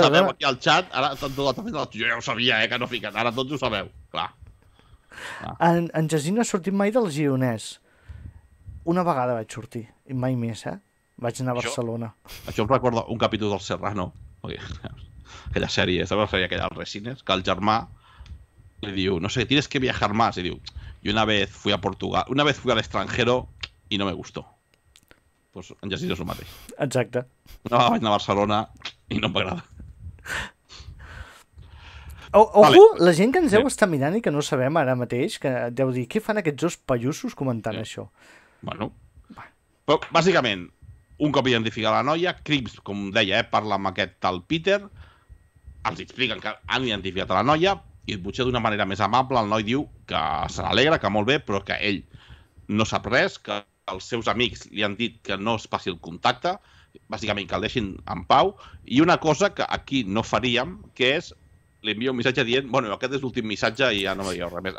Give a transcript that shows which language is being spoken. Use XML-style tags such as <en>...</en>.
<ca>Ara tots sabeu aquí al xat, ara tots ho sabeu, jo ja ho sabia, que no fiquen, ara tots ho sabeu, clar. En Jacint no ha sortit mai del Gironès. Una vegada vaig sortir, i mai més, eh? Vaig anar a Barcelona. Això em recorda un capítol del Serrano, aquella sèrie, sabeu la sèrie aquella dels Resines? Que el germà li diu, no sé,</ca> <es>tienes que viajar más,</es> <ca>i diu...</ca> <es>Y una vez fui a Portugal, una vez fui al extranjero y no me gustó.</es> <ca>Pues en Jacint és el mateix. Exacte. Una vegada vaig anar a Barcelona i no em va agradar.</ca> <es>Ojo, vale.</es> <ca>La gent que ens deu estar mirant i que no sabem ara mateix, que deu dir, què fan aquests dos pallussos comentant això? Bueno, però bàsicament, un cop identificat la noia, Crips, com deia, parla amb aquest tal Peter, els expliquen que han identificat la noia, i potser d'una manera més amable el noi diu que se n'alegra, que molt bé, però que ell no sap res, que els seus amics li han dit que no es passi el contacte, bàsicament que el deixin en pau, i una cosa que aquí no faríem, que és li envio un missatge dient, bueno, aquest és l'últim missatge i ja no me diu res més.</ca>